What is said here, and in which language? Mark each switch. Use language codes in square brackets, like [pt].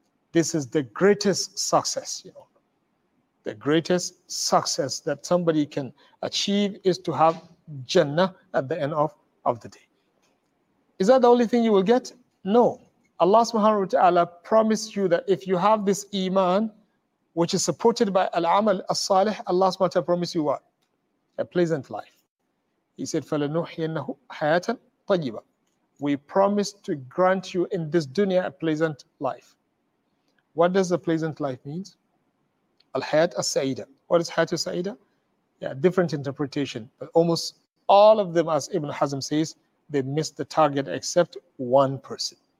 [en] This is the greatest success, you know. The greatest success that somebody can achieve is to have Jannah at the end of the day. Is that the only thing you will get? No. Allah subhanahu wa ta'ala promised you that if you have this iman, which is supported by al-amal as-salih, Allah subhanahu wa ta'ala promised you what? A pleasant life. He said, [ar] فَلَنُحْيَنَّهُ حَيَاتًا طَيِّبًا. [en] We promise to grant you in this dunya a pleasant life. What does a pleasant life mean? Al-hayat as-sa'ida. What is hayat as-sa'ida? Yeah, different interpretation. But almost all of them, as Ibn Hazm says, they miss the target except one person.